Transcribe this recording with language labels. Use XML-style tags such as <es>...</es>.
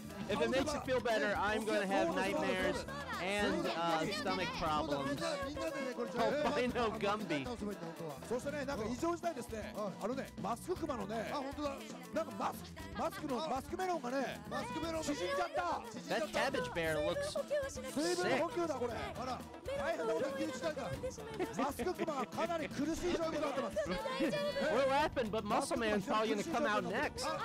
<en>If it makes you feel better, I'm going to have nightmares and stomach problems. Albino Gumby.</en> <ja>そしてね、なんか異常事態ですね。あのね、マスククマのね、あ、本当だ。なんかマスクのマスクメロンがね、マスクメロン縮んじゃった。</ja> <en>That cabbage bear looks sick.</en> <ja>水分補給だこれ。あら、大変なこと緊急事態だ。マスククマがかなり苦しい状況になってます。</ja> <en>What happened? But Muscle Man's probably going to come out next.</en>